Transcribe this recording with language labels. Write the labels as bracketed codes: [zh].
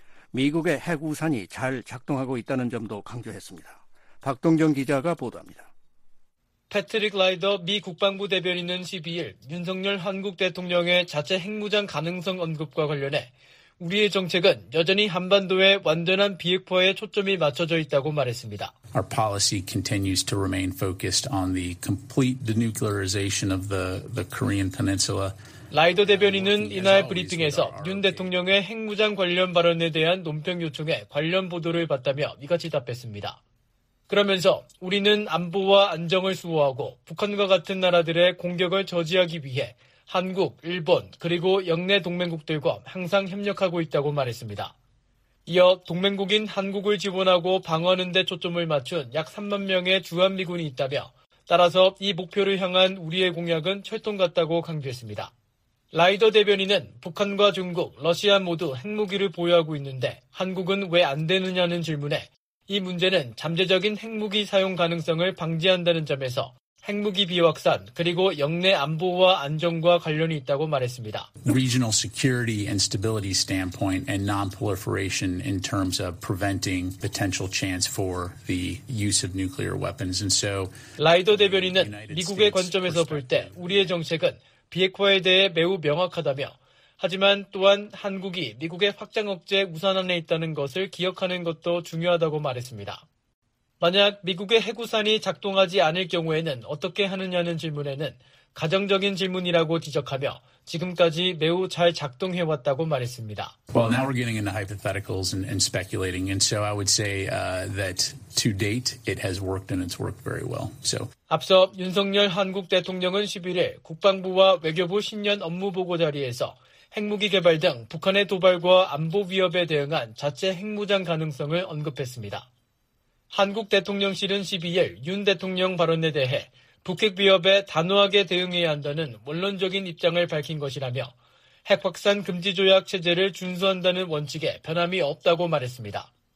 [ko] 미국의 핵우산이 잘 작동하고 있다는 점도 강조했습니다. 박동정 기자가 보도합니다. 패트릭 라이더 미 국방부 대변인은 12일 윤석열 한국 대통령의 자체 핵무장 가능성 언급과 관련해 우리의 정책은 여전히 한반도의 완전한 비핵화에 초점이 맞춰져 있다고 말했습니다. [en] Our policy continues to remain focused on the complete denuclearization of the Korean Peninsula. [ko] 라이더 대변인은 이날 브리핑에서 윤 대통령의 핵무장 관련 발언에 대한 논평 요청에 관련 보도를 받다며 이같이 답했습니다. 그러면서 우리는 안보와 안정을 수호하고 북한과 같은 나라들의 공격을 저지하기 위해 한국, 일본 그리고 역내 동맹국들과 항상 협력하고 있다고 말했습니다. 이어 동맹국인 한국을 지원하고 방어하는 데 초점을 맞춘 약 3만 명의 주한미군이 있다며 따라서 이 목표를 향한 우리의 공약은 철통 같다고 강조했습니다. 라이더 대변인은 북한과 중국, 러시아 모두 핵무기를 보유하고 있는데 한국은 왜 안 되느냐는 질문에 이 문제는 잠재적인 핵무기 사용 가능성을 방지한다는 점에서 핵무기 비확산 그리고 역내 안보와 안정과 관련이 있다고 말했습니다. [en] Regional security and stability standpoint and non-proliferation in terms of preventing potential chance for the use of nuclear weapons. And so [ko] 라이더 대변인은 미국의 관점에서 볼 때 우리의 정책은 비핵화에 대해 매우 명확하다며 하지만 또한 한국이 미국의 확장 억제 우산 안에 있다는 것을 기억하는 것도 중요하다고 말했습니다. 만약 미국의 핵우산이 작동하지 않을 경우에는 어떻게 하느냐는 질문에는 가정적인 질문이라고 지적하며 지금까지 매우 잘 작동해왔다고 말했습니다. [en] Well, now we're getting into hypotheticals and speculating. And so I would say that to date, it has worked and it's worked very well. So [ko] 앞서 윤석열 한국 대통령은 11일 국방부와 외교부 신년 업무 보고 자리에서 핵무기 개발 등 북한의 도발과 안보 위협에 대응한 자체 핵무장 가능성을 언급했습니다. 한국 대통령실은 12일 윤 대통령 발언에 대해 북핵 위협에 단호하게 대응해야 한다는 원론적인 입장을 밝힌 것이라며 핵확산 금지 조약 체제를 준수한다는 원칙에 변함이 없다고 말했습니다.